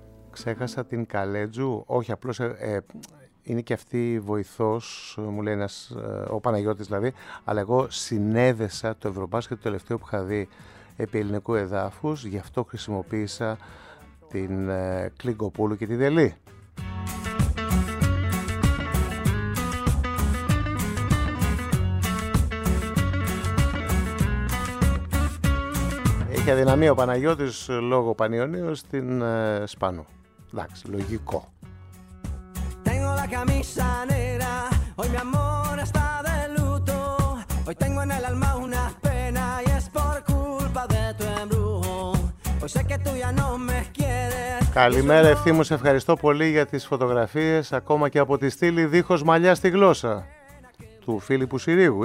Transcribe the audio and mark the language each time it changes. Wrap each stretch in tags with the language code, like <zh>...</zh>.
<el>Ξέχασα την Καλέτζου. Όχι, απλώς είναι και αυτή βοηθός, μου λέει ένας, ο Παναγιώτης δηλαδή, αλλά εγώ συνέδεσα το Ευρωμπάσκετ το τελευταίο που είχα δει επί ελληνικού εδάφους, γι' αυτό χρησιμοποίησα την Κλιγκοπούλου και την Δελή. Έχει αδυναμία ο Παναγιώτης λόγω Πανιωνίου στην Σπάνου. Εντάξει, λογικό.</el> <es>Tengo la camisa negra, hoy mi amor está de luto. Hoy tengo en el alma una pena y es por culpa de tu embrujo. Hoy sé que tú ya no me.</es> <el>Καλημέρα, Ευθύμου, σε ευχαριστώ πολύ για τις φωτογραφίες, ακόμα και από τη στήλη δίχως μαλλιά στη γλώσσα του Φίλιππου Συρίγου.</el>